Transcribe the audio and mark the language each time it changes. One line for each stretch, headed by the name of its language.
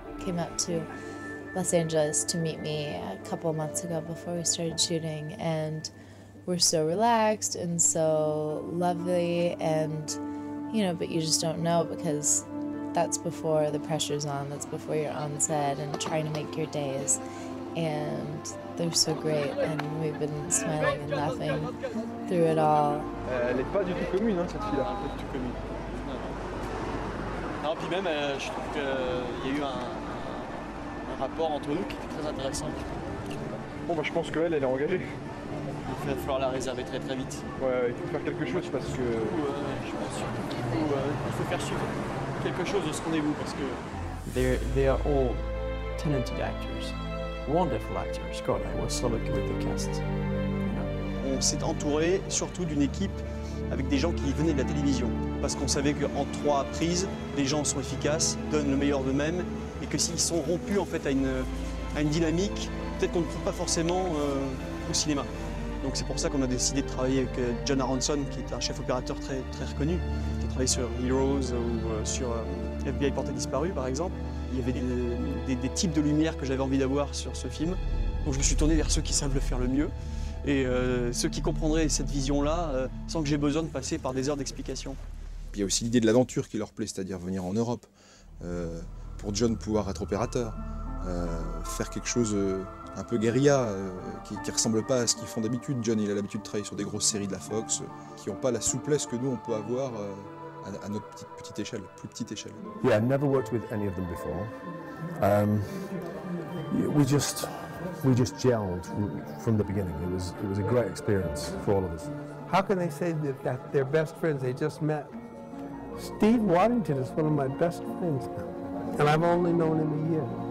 English: Came out to Los Angeles to meet me a couple months ago before we started shooting, and we're so relaxed and so lovely, and you know, but you just don't know because that's before the pressure's on, that's before you're on set and trying to make your days. And they're so great, and we've been smiling and laughing through it all.
French: Elle est pas du tout commune, hein, cette fille-là. Pas du tout commune. Non. Non, puis même, je trouve qu'il y a eu un rapport entre nous qui était très intéressant. Bon, bah, je pense qu'elle, elle est engagée. Il va falloir la réserver très très vite. Ouais, il faut faire quelque chose parce que. Je pense surtout qu'il faut faire suivre quelque chose de ce rendez-vous parce que.
English: They are all talented actors. Wonderful actors, God, I was so lucky with the cast.
French: On s'est entouré surtout d'une équipe avec des gens qui venaient de la télévision. Parce qu'on savait qu'en trois prises, les gens sont efficaces, donnent le meilleur d'eux-mêmes, et que s'ils sont rompus en fait à une dynamique, peut-être qu'on ne trouve pas forcément au cinéma. Donc c'est pour ça qu'on a décidé de travailler avec John Aronson, qui est un chef opérateur très, très reconnu, qui a travaillé sur Heroes ou sur FBI Porté Disparu par exemple. Il y avait des types de lumière que j'avais envie d'avoir sur ce film. Donc je me suis tourné vers ceux qui savent le faire le mieux et ceux qui comprendraient cette vision-là sans que j'aie besoin de passer par des heures d'explication. Il y a aussi l'idée de l'aventure qui leur plaît, c'est-à-dire venir en Europe. Pour John, pouvoir être opérateur, faire quelque chose un peu guérilla, qui ressemble pas à ce qu'ils font d'habitude. John, il a l'habitude de travailler sur des grosses séries de la Fox qui n'ont pas la souplesse que nous, on peut avoir à notre petite échelle, plus petite échelle.
English: Yeah, never worked with any of them before. We just gelled from the beginning. It was a great experience for all of us. How can they say that they're best friends? They just met. Steve Waddington is one of my best friends, and I've only known him a year.